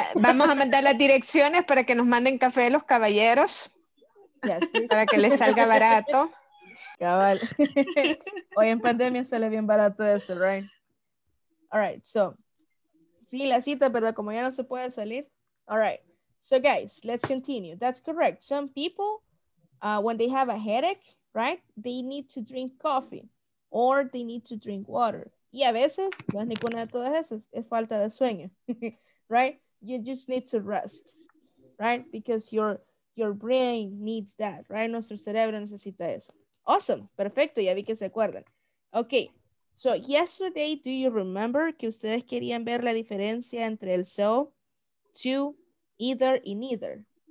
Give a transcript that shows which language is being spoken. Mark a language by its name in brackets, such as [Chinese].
[Spanish] vamos a mandar las direcciones para que nos manden café de los caballeros, yes, para que les salga barato. Cabal. Hoy en pandemia sale bien barato eso, right? Alright, so sí, la cita, pero como ya no se puede salir. [English] Alright, so guys, let's continue. That's correct. Some people, when they have a headache, right, they need to drink coffee or they need to drink water. [Spanish] Y a veces, no es ninguna de todas esas, es falta de sueño, right? [English] You just need to rest, right? Because your brain needs that, right? [Spanish] Nuestro cerebro necesita eso. Awesome, perfecto, ya vi que se acuerdan. [English] Ok, so yesterday, do you remember [Spanish] que ustedes querían ver la diferencia entre el so, to, either, y neither?